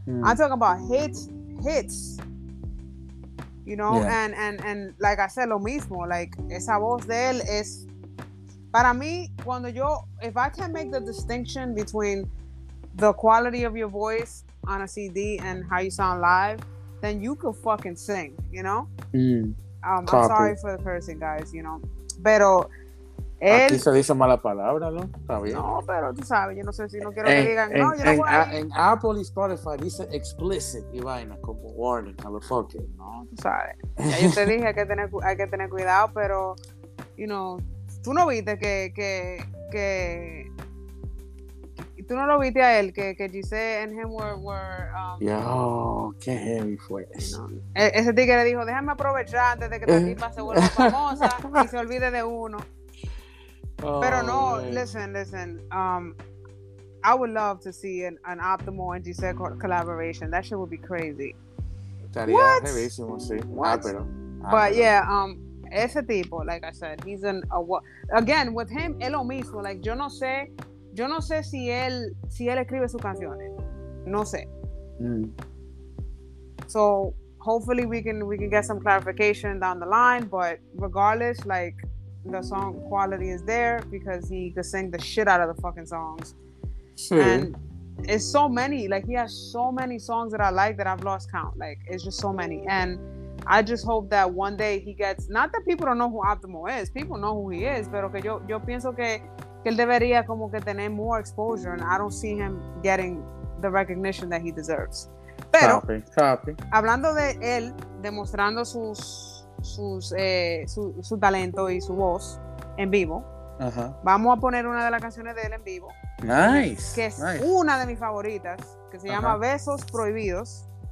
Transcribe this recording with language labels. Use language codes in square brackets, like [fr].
[en] I'm talking about hits. You know, and like I said, [es] lo mismo, [en] like, [es] esa voz de él es, para mí, cuando yo, [en] if I can make the distinction between the quality of your voice on a CD and how you sound live, then you could fucking sing, you know? Mm. I'm sorry for the person, guys, you know? [es] Pero, El... Aquí se dice mala palabra, ¿no? Está bien. No, pero tú sabes, yo no sé si no quiero en, que digan en, no. Yo en, no voy a... en Apple y Spotify dice explicit y vaina, como warning, a lo fucking. No, tú sabes. Ya yo te dije que hay que tener cuidado, pero, [en] you know, [es] tú no viste que tú no lo viste a él, que Giselle [en] and him were [es] yo, qué heavy fue. No. Ese tigre dijo, déjame aprovechar antes de que esta tipa se vuelva famosa y se olvide de uno. Pero no, man. [en] listen, I would love to see an Optimal and Giselle collaboration. That shit would be crazy. [es] Estaría heavísimo, sí. [en] What? But yeah, [es] ese tipo, [en] like I said, he's an... Again, with him, [es] es lo mismo. Like, yo no sé si él escribe sus canciones. No sé. [en] So, hopefully we can get some clarification down the line, but regardless, like, the song quality is there because he could sing the shit out of the fucking songs. [es] Sí. [en] And it's so many, like, he has so many songs that I like that I've lost count. Like, it's just so many. And I just hope that one day he gets, not that people don't know who Optimo is, people know who he is, [es] pero que yo pienso que él debería como que tener [en] more exposure, and I don't see him getting the recognition that he deserves. [es] Pero, [en] copy. [es] Hablando de él demostrando su talento y su voz en vivo, vamos a poner una de las canciones de él en vivo. [en] Nice. [es] Que es [en] nice. [es] Una de mis favoritas, que se llama Besos Prohibidos.